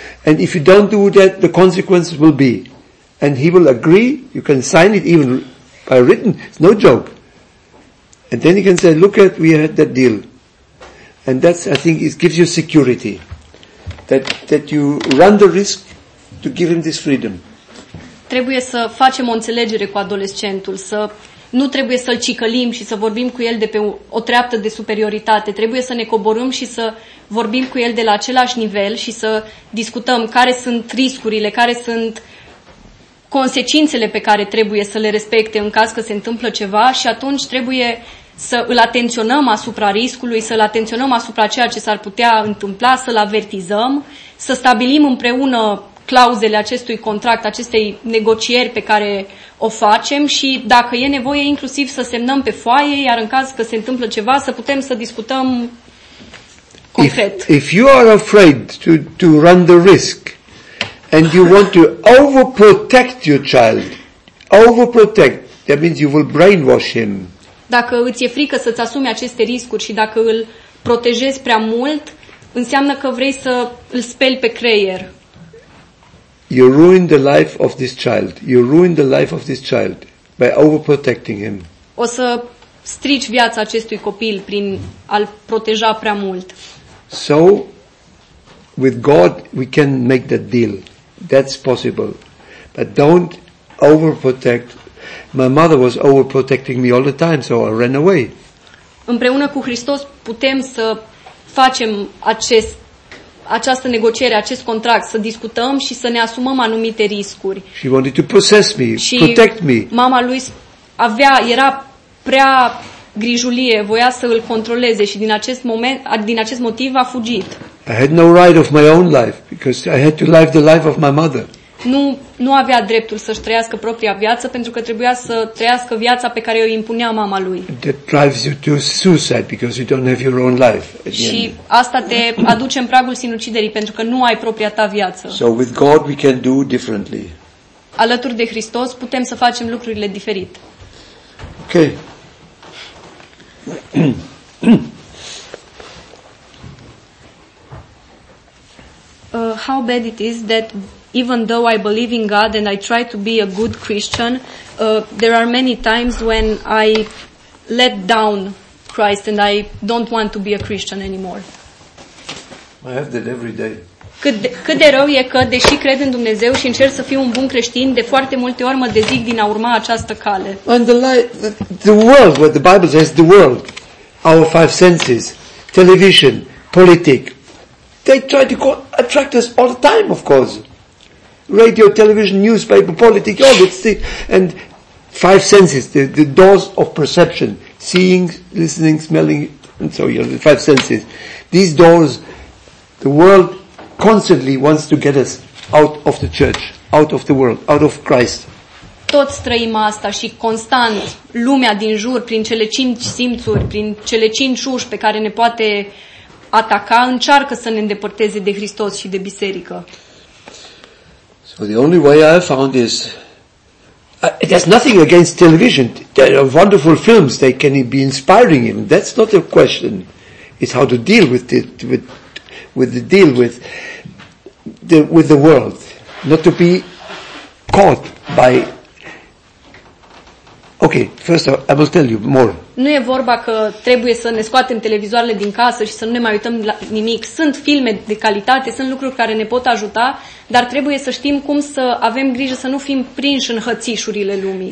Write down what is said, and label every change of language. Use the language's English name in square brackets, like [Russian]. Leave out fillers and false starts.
[English] And if you don't do that, the consequences will be. And he will agree, you can sign it even by written, it's no joke. And then he can say, look at, we had that deal. And that's, I think, it gives you security. That you run the risk to give him this freedom. [Romanian] Trebuie să facem o înțelegere cu adolescentul, să nu trebuie să-l cicălim și să vorbim cu el de pe o treaptă de superioritate. Trebuie să ne coborâm și să vorbim cu el de la același nivel și să discutăm care sunt riscurile, care sunt consecințele pe care trebuie să le respecte în caz că se întâmplă ceva și atunci trebuie să îl atenționăm asupra riscului, să îl atenționăm asupra ceea ce s-ar putea întâmpla, să-l avertizăm, să stabilim împreună clauzele acestui contract, acestei negocieri pe care o facem și dacă e nevoie inclusiv să semnăm pe foaie, iar în caz că se întâmplă ceva, să putem să discutăm concret. [English] If you are afraid to run the risk and you want to overprotect your child, overprotect, that means you will brainwash him. [Romanian] Dacă îți e frică să-ți asumi aceste riscuri și dacă îl protejezi prea mult, înseamnă că vrei să îl speli pe creier. [English] You ruin the life of this child. You ruin the life of this child by overprotecting him. [Romanian] O să strici viața acestui copil prin a-l proteja prea mult. [English] So, with God, we can make that deal. That's possible. But don't overprotect. My mother was overprotecting me all the time, so I ran away. [Romanian] Împreună cu Hristos putem să facem această negociere, acest contract, să discutăm și să ne asumăm anumite riscuri. [English] She wanted to possess me, [Romanian] și [English] protect me. [Romanian] Mama lui era prea grijulie, voia să îl controleze și din acest motiv a fugit. [English] I had no right of my own life because I had to live the life of my mother. [Romanian] Nu avea dreptul să-și trăiască propria viață pentru că trebuia să trăiască viața pe care o impunea mama lui. [English] That drives you to suicide because you don't have your own life. [Romanian] Și asta te aduce în pragul sinuciderii pentru că nu ai propria ta viață. [English] So with God we can do differently. [Romanian] Alături de Hristos putem să facem lucrurile diferit. [English] Ok. How bad it is that even though I believe in God and I try to be a good Christian, there are many times when I let down Christ and I don't want to be a Christian anymore. I have that every day. [Romanian] Cât de rău e că, deși cred în Dumnezeu și încerc să fiu un bun creștin, de foarte multe ori mă dezic din a urma această cale. [English] And the world, what the Bible says, the world, our five senses, television, politics, they try to attract us all the time, of course. Radio, television, newspaper, politics, all that stuff. And five senses, the doors of perception, seeing, listening, smelling, and so on, the five senses. These doors, the world constantly wants to get us out of the church, out of the world, out of Christ. [Romanian] Toți trăim asta și constant lumea din jur, prin cele cinci simțuri, prin cele cinci uși pe care ne poate ataca, încearcă să ne îndepărteze de Hristos și de biserică. [English] So the only way I found is there's nothing against television. There are wonderful films, they can be inspiring him. That's not a question. It's how to deal with it, with the world, not to be caught by. Okay, first of all, I will tell you more. [Romanian] Nu e vorba că trebuie să ne scoatem televizoarele din casă și să nu ne mai uităm la nimic. Sunt filme de calitate, sunt lucruri care ne pot ajuta, dar trebuie să știm cum să avem grijă să nu fim prinși în hățișurile lumii.